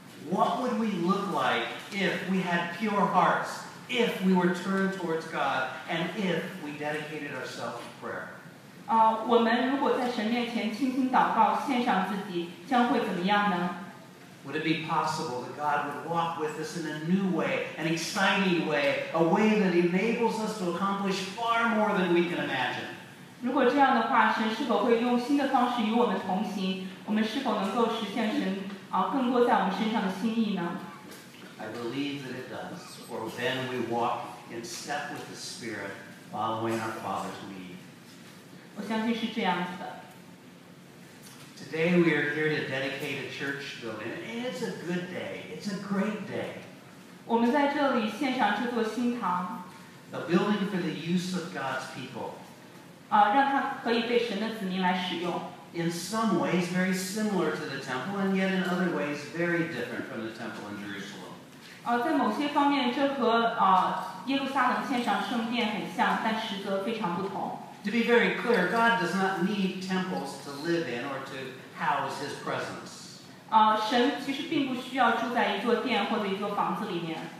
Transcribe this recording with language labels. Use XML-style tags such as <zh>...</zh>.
<en>What would we look like if we had pure hearts, if we were turned towards God, and if we dedicated ourselves to prayer?</en> <zh>我们如果在神面前倾心祷告，献上自己，将会怎么样呢？</zh> <en>Would it be possible that God would walk with us in a new way, an exciting way, a way that enables us to accomplish far more than we can imagine?</en> <zh>如果这样的话，神是否会用新的方式与我们同行？我们是否能够实现神更多在我们身上的心意呢？</zh> <en>I believe that it does, for then we walk in step with the Spirit, following our Father's lead.</en> <zh>我相信是这样子的。</zh> <en>Today we are here to dedicate a church building, and it's a good day, it's a great day.</en> <zh>我们在这里献上这座新堂。</zh> <en>A building for the use of God's people.</en> <zh>让它可以被神的子民来使用。</zh> <en>In some ways, very similar to the temple, and yet in other ways, very different from the temple in Jerusalem.</en> <zh>在某些方面，这和耶路撒冷献上圣殿很像，但实则非常不同。</zh> <en>To be very clear, God does not need temples to live in or to house His presence.</en> <zh>神其实并不需要住在一座殿或者一座房子里面。</zh>